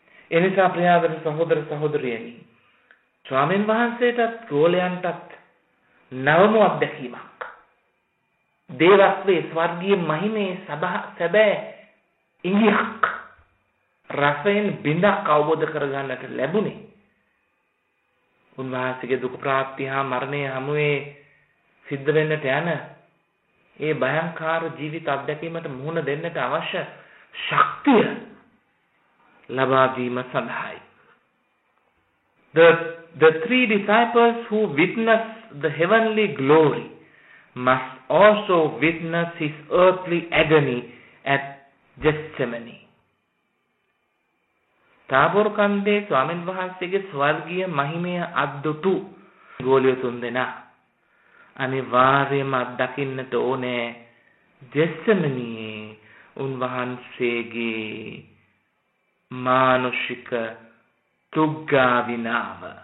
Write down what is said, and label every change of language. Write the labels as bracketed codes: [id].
[si] එනිසා ප්‍රියාදර සහෝදර සහෝදරියනි ස්වාමීන් වහන්සේටත් ගෝලයන්ටත් නවම අත්දැකීමක් දේවස්වේ ස්වර්ගීය මහිමේ සැබෑ ඉඟියක් රසයෙන් බිඳක් අවබෝධ කරගන්නට ලැබුණේ උන්වහන්සේගේ දුක ප්‍රාප්තිය හා මරණය හමුවේ සිද්ධ වෙන්නට යන ඒ භයංකාර ජීවිත අත්දැකීමට මුහුණ දෙන්නට අවශ්‍ය ශක්තිය ලබා දීම සඳහායි. [en] The three disciples who witness the heavenly glory must also witness his earthly agony at Gethsemane. [si] තාබෝර කන්දේ ස්වාමීන් වහන්සේගේ ස්වර්ගීය මහිමය අද්දුතු ගෝලිය තුන්දෙනා අනිවාර්යයෙන්ම අත්දකින්නට ඕනේ Gethsemane උන්වහන්සේගේ මානුෂික තුග්ගා විනාව.